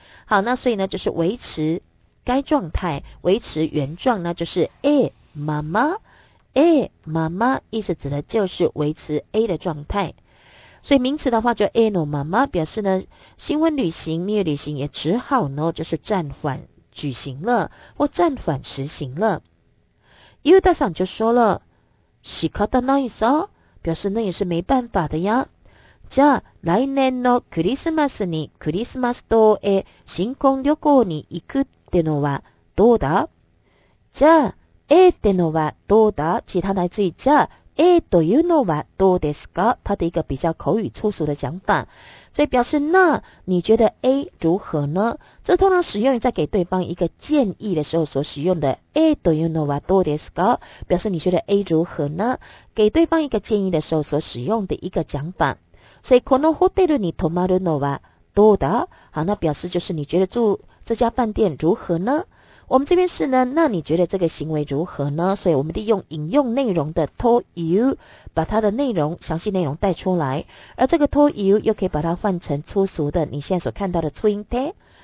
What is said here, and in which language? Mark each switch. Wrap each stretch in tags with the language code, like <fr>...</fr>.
<zh>好，那所以呢就是维持该状态，维持原状呢就是</zh> <ja>A まま。</ja> <zh>A まま意思指的就是维持 A 的状态，所以名词的话就</zh> <ja>A のまま，</ja> <zh>表示呢新婚旅行蜜月旅行也只好呢就是暂缓举行了或暂缓实行了。ユータさん就说了</zh> <ja>仕方ないさ，</ja> <zh>表示那也是没办法的呀。</zh> <ja>じゃあ来年のクリスマスにクリスマス島へ新婚旅行に行くってのはどうだ？じゃあ A ってのはどうだ？</ja> <zh>其他来自于</zh> <ja>じゃあ A というのはどうですか？</ja> <zh>他的一个比较口语粗俗的讲法，所以表示那你觉得 A 如何呢？这通常使用于在给对方一个建议的时候所使用的</zh> <ja>A というのはどうですか，</ja> <zh>表示你觉得 A 如何呢？给对方一个建议的时候所使用的一个讲法。所以</zh> <ja>このホテルに泊まるのはどうだ？</ja> <zh>好，那表示就是你觉得住这家饭店如何呢？我们这边是呢，那你觉得这个行为如何呢？所以我们利用引用内容的 toyou， 把它的内容详细内容带出来，而这个 toyou 又可以把它换成粗俗的你现在所看到的 twinte。</zh>